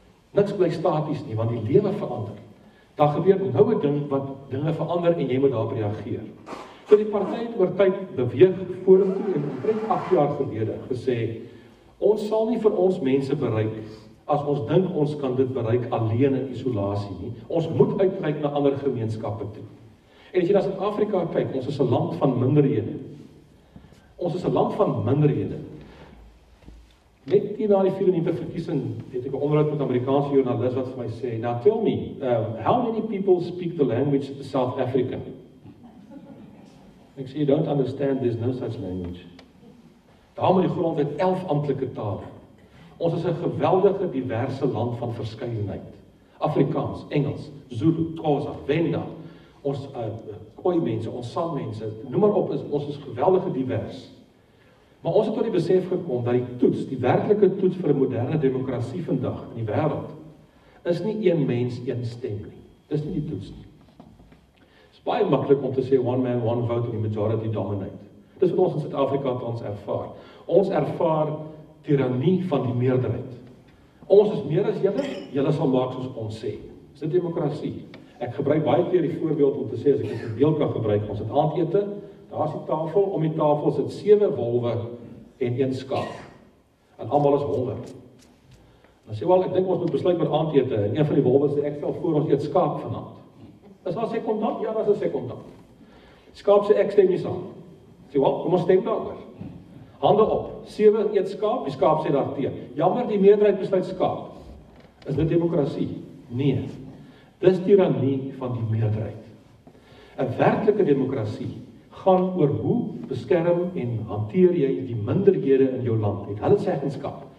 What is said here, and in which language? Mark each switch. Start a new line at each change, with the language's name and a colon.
Afrikaans: Niks bly staties nie, want die lewe verander. Daar gebeur nou 'n ding wat dinge verander en jy moet daarop reageer. So die party het oor tyd beweeg vorentoe en omtrent 8 jaar gelede gesê, ons sal nie vir ons mense bereik as ons dink ons kan dit bereik alleen in isolasie nie. Ons moet uitreik na ander gemeenskappe toe. En as jy na Suid-Afrika kyk, ons is 'n land van minderhede. Ons is 'n land van minderhede. Net hier na die 94 verkiesing het ek 'n onderhoud met 'n Amerikaanse joernalis wat vir my sê,
English: "Now tell me, how many people speak the language of South Africa?"
Afrikaans: Ek sê,
English: "You don't understand, there's no such language."
Afrikaans: Daar met die grond het 11 amptelike tale. Ons is 'n geweldige diverse land van verskeidenheid. Afrikaans, Engels, Zulu, Xhosa, Venda, ons Khoi mense, ons Sam mense, noem maar op, ons is geweldige divers. Maar ons het tot die besef gekom dat die toets, die werklike toets vir 'n moderne demokrasie vandag in die wêreld, is nie een mens, een stem nie. Dis nie die toets nie. Dis baie maklik om te sê
English: one man, one vote
Afrikaans: en die
English: majority dominate.
Afrikaans: Dis wat ons in Suid-Afrika tans ervaar. Ons ervaar tirannie van die meerderheid. Ons is meer as julle, julle sal maak soos ons sê. Is dit demokrasie? Ek gebruik baie keer die voorbeeld om te sê, as ek dit beeld kan gebruik, ons het aandete, daar is die tafel, om die tafel sit 7 wolwe en 1 skaap. En almal is honger. Dan sê wel, ek dink ons moet besluit met aandete, en een van die wolwe sê, ek stel voor ons eet skaap vanavond. Is daar sekondant? Ja, daar is 'n sekondant. Skaap sê, ek stem nie saam. Sê wel, kom ons stem daaroor. Hande op, 7 eet skaap, die skaap sê daarteen. Jammer, die meerderheid besluit skaap. Is dit demokrasie? Nee. Dis tirannie van die meerderheid. 'N werklike demokrasie gaan oor hoe beskerm en hanteer jy die minderhede in jou land. Het hulle seggenskap?